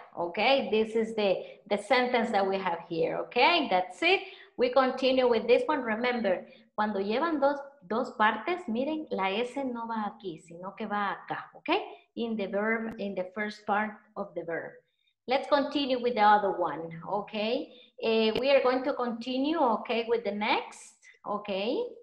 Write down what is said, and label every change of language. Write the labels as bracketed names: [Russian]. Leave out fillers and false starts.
[English] Okay, this is the sentence that we have here. Okay, that's it. We continue with this one. Remember, [Spanish] cuando llevan dos partes, miren, la S no va aquí, sino que va acá, okay? [English] In the verb, in the first part of the verb. Let's continue with the other one, okay? We are going to continue, okay, with the next, okay?